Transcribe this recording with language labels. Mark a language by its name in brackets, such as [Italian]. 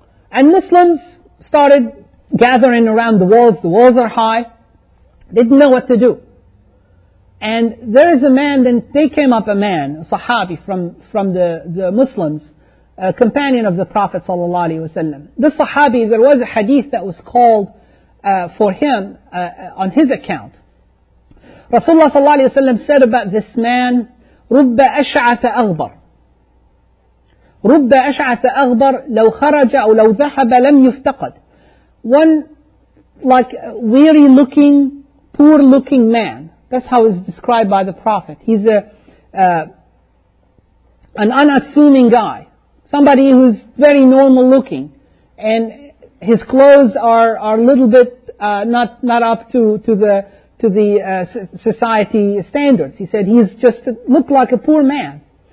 [English] And Muslims started gathering around the walls. The walls are high. They didn't know what to do. And there is a man, then they came up a man, a Sahabi from the Muslims, a companion of the Prophet sallallahu alaihi wasallam. This Sahabi, there was a hadith that was called for him on his account. Rasulullah sallallahu alaihi wasallam said about this man, [Arabic] رُبَّ أَشْعَثَ أَغْبَرَ رُبَّ أَشْعَثَ أَغْبَرَ لَوْ خَرَجَ أَوْ لَوْ ذَهَبَ لَمْ يُفْتَقَدْ. [English] One like weary looking, poor looking man. That's how it's described by the Prophet. He's an unassuming guy. Somebody who's very normal looking. And his clothes are a little bit not up to the society standards. He said he's just looked like a poor man.